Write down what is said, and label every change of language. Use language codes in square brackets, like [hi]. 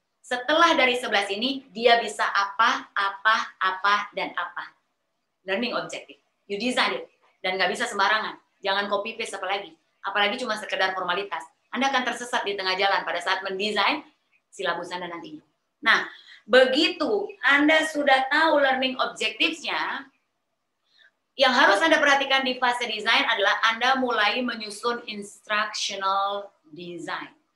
[id] Setelah dari 11 ini, dia bisa apa, apa, apa, dan apa. [en] Learning objective. You design it. [id] Dan nggak bisa sembarangan. Jangan copy paste apalagi. Apalagi cuma sekedar formalitas. Anda akan tersesat di tengah jalan pada saat mendesain silabus Anda nantinya. Nah, begitu Anda sudah tahu learning objectives-nya, yang harus Anda perhatikan di fase desain adalah Anda mulai menyusun instructional design.